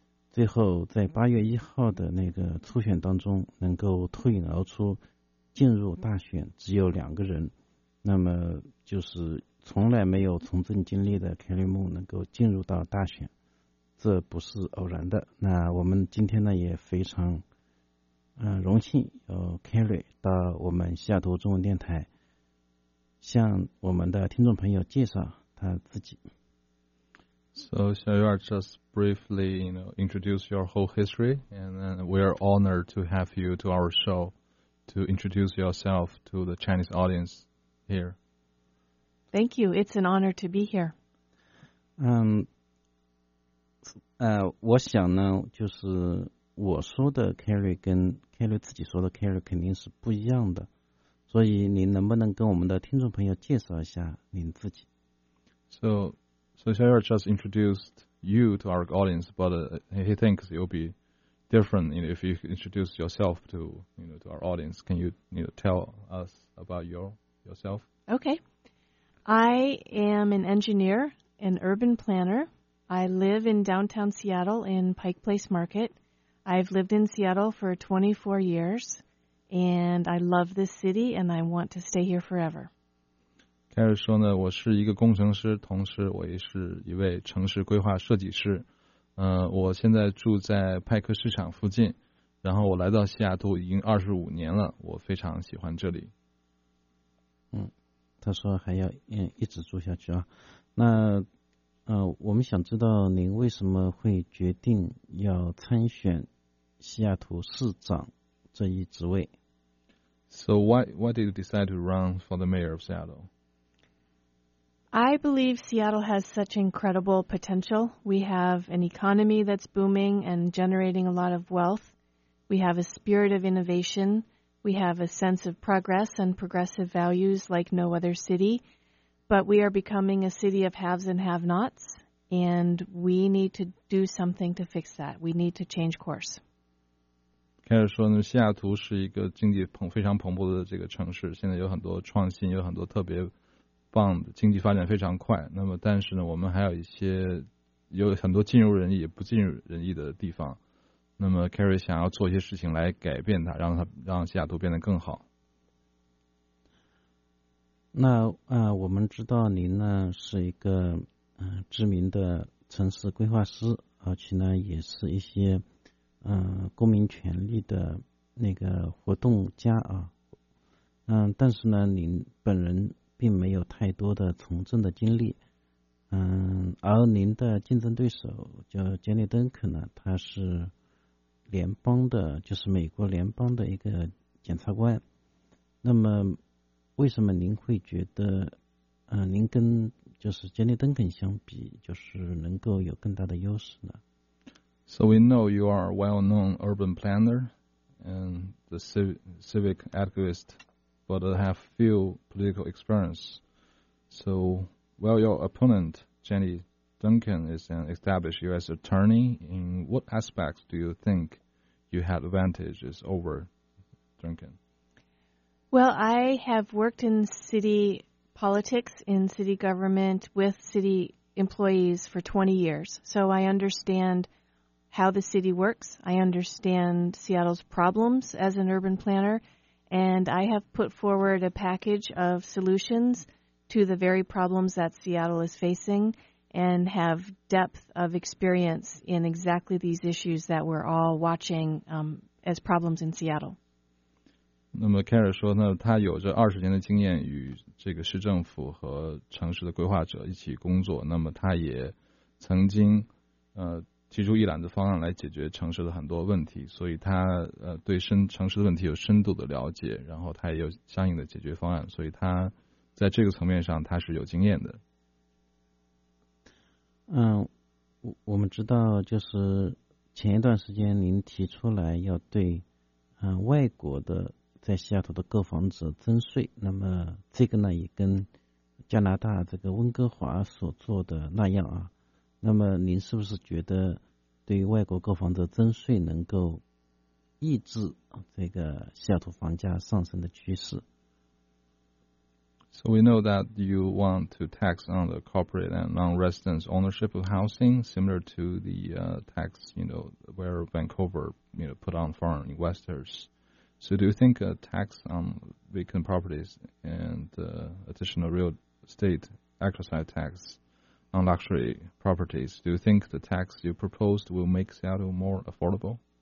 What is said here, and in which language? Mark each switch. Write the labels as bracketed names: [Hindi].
[Chinese] 最后在8月1号的那个初选当中能够脱颖而出进入大选只有2个人，那么就是从来没有从政经历的 Kelly Moon 能够进入到大选，这不是偶然的。那我们今天呢也非常荣幸有 Kelly 到我们西雅图中文电台向我们的听众朋友介绍他自己。 [English] So, shall you just briefly, introduce your whole history, and then we are honored to have you to our show to introduce yourself to the Chinese audience here. Thank you. It's an honor to be here. [Chinese] 我想呢，就是我说的 Kerry 跟 Kerry 自己说的 Kerry 肯定是不一样的，所以您能不能跟我们的听众朋友介绍一下您自己？ [English] So Xiao just introduced you to our audience, but he thinks you'll be different if you introduce yourself to our audience. Can you tell us about yourself? Okay. I am an engineer, an urban planner. I live in downtown Seattle in Pike Place Market. I've lived in Seattle for 24 years, and I love this city, and I want to stay here forever. [Chinese] 开始说呢，我是一个工程师，同时我也是一位城市规划设计师。我现在住在派克市场附近，然后我来到西雅图已经25年了，我非常喜欢这里。他说还要一直住下去啊。那我们想知道您为什么会决定要参选西雅图市长这一职位。 [English] So why did you decide to run for the mayor of Seattle? I believe Seattle has such incredible potential. We have an economy that's booming and generating a lot of wealth. We have a spirit of innovation. We have a sense of progress and progressive values like no other city. But we are becoming a city of haves and have-nots, and we need to do something to fix that. We need to change course. [Chinese] 开始说呢，西雅图是一个经济非常蓬勃的这个城市，现在有很多创新，有很多特别棒的经济发展非常快，那么但是呢我们还有一些有很多尽如人意不尽如人意的地方，那么 Kerry 想要做一些事情来改变它，让西雅图变得更好。那我们知道您呢是一个知名的城市规划师，而且呢也是一些公民权利的那个活动家啊。但是呢您本人并没有太多的从政的经历，而您的竞争对手叫杰内·登肯呢，他是联邦的，就是美国联邦的一个检察官。那么，为什么您会觉得您跟就是杰内登肯相比，就是能够有更大的优势呢？ [English] So we know you are a well-known urban planner and the civic activist, but have few political experience. So, well, your opponent, Jenny Duncan, is an established U.S. attorney. In what aspects do you think you had advantages over Duncan? Well, I have worked in city politics, in city government, with city employees for 20 years. So I understand how the city works. I understand Seattle's problems as an urban planner. And I have put forward a package of solutions to the very problems that Seattle is facing and have depth of experience in exactly these issues that we're all watching as problems in Seattle. [Chinese] 那么凯尔说呢，他有着20年的经验与这个市政府和城市的规划者一起工作，那么他也曾经提出一揽子方案来解决城市的很多问题，所以他对城市的问题有深度的了解，然后他也有相应的解决方案，所以他在这个层面上他是有经验的。我们知道就是前一段时间您提出来要对外国的在西雅图的购房者征税，那么这个呢也跟加拿大这个温哥华所做的那样啊，那么您是不是觉得对于外国购房者征税能够抑制这个西雅图房价上升的趋势？ [English] So we know that you want to tax on the corporate and non-residence ownership of housing similar to the tax, you know, where Vancouver, you know, put on foreign investors. So do you think a tax on vacant properties and additional real estate exercise tax on luxury properties, do you think the tax you proposed will make Seattle more affordable?